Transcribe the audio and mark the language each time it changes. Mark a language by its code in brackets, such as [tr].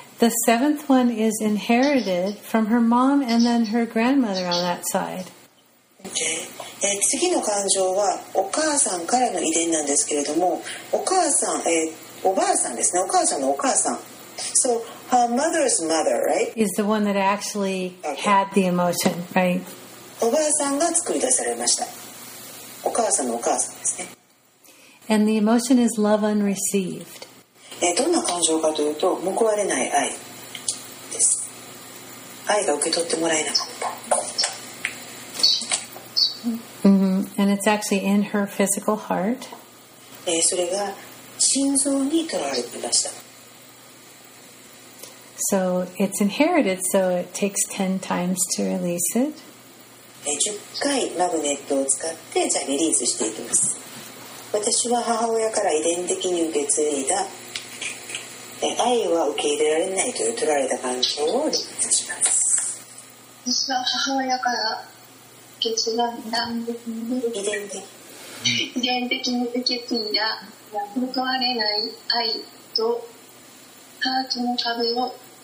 [en] The seventh one is inherited from her mom and then her grandmother on that side. Okay. [ja] 次の感情はお母さんからの遺伝なんですけれども、お母さん、おばあさんですね。お母さんのお母さん。 [en] So her mother's mother, right? Is the one that actually had the emotion, right? [ja] おばあさんが作り出されました。お母さんのお母さんですね。 [en] And the emotion is love unreceived. [ja] どんな感情かというと、報われない愛です。愛が受け取ってもらえなかった。 Mm-hmm. [en] And it's actually in her physical heart. [ja] それが心臓に取られていました。 [en] So it's inherited, so it takes 10 times to release it. [ja] 10回マグネットを使ってじゃあリリースしていきます。私は母親から遺伝的に受け継いだ愛は受け入れられないという取られた感情をリリースします。私は母親から受け継いだ遺伝的に受け継いだ報われない愛とハートの壁を